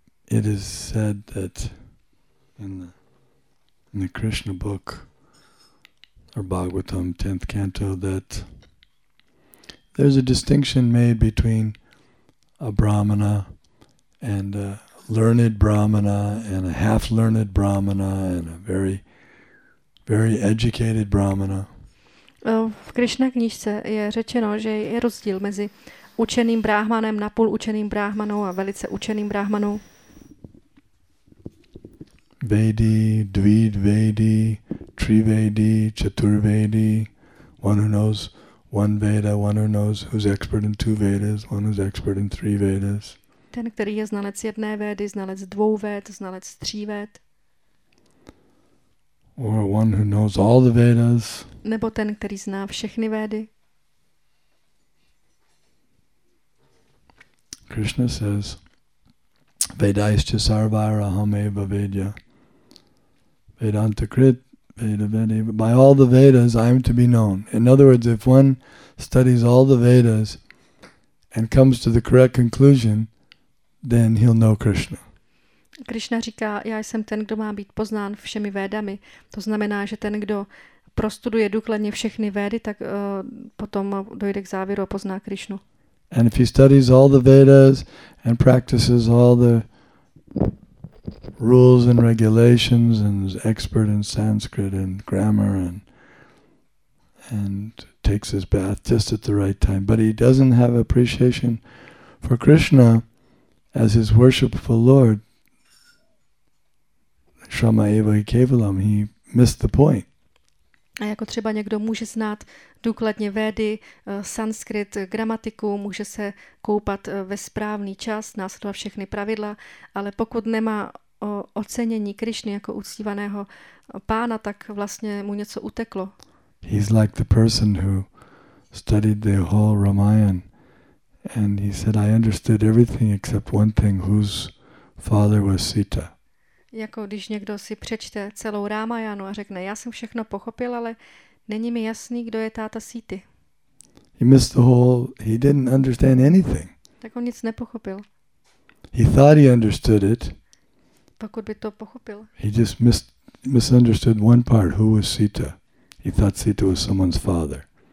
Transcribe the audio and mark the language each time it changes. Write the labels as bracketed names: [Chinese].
[English] It is said that in the Krishna book or Bhagavatam 10th canto that there's a distinction made between a Brahmana and a learned Brahmana and a half-learned Brahmana and a very, very educated Brahmana. [Czech] V Krishna knížce je řečeno, že je rozdíl mezi učeným bráhmanem, napůl učeným bráhmanou a velice učeným bráhmanou. [Sanskrit] Vedi, dvid vedi, tri vedi, chatur vedi, [English] one who knows one Veda, one who knows who's expert in two Vedas, one who's expert in three Vedas. [Czech] ten, který je znalec jedné védy, znalec dvou véd, znalec tří véd. [English] Or one who knows all the Vedas. [Czech] Nebo ten, který zná všechny védy. [English] Krishna says, [Sanskrit] Vedaischa sarvairahameva vidya. Vedantakrit vedavedi. [English] By all the Vedas I am to be known. In other words, if one studies all the Vedas and comes to the correct conclusion, then he'll know Krishna. [Czech] Krishna říká, já jsem ten, kdo má být poznán všemi védami. To znamená, že ten, kdo prostuduje důkladně všechny védy, tak potom dojde k závěru a pozná Krishnu. [English] And if he studies all the Vedas and practices all the rules and regulations and is expert in Sanskrit and grammar and takes his bath just at the right time, but he doesn't have appreciation for Krishna as his worshipful Lord, [Sanskrit] Shrama Eva Kevalam, [English] he missed the point. [Czech] A jako třeba někdo může znát důkladně védy, sanskrit, gramatiku, může se koupat ve správný čas, následovat všechny pravidla, ale pokud nemá ocenění Krišny jako uctívaného pána, tak vlastně mu něco uteklo. [English] He's like the person who studied the whole Ramayana and he said, I understood everything except one thing, whose father was Sita. [Czech] Jako když někdo si přečte celou Ramayanu a řekne, já jsem všechno pochopil, ale není mi jasný, kdo je táta Sity. [English] He missed the whole, he didn't understand anything. [Czech] Tak on nic nepochopil. [English] He thought he understood it. [Czech] Pokud by to pochopil. [English] He just misunderstood one part, who was Sita. He thought Sita was someone's father.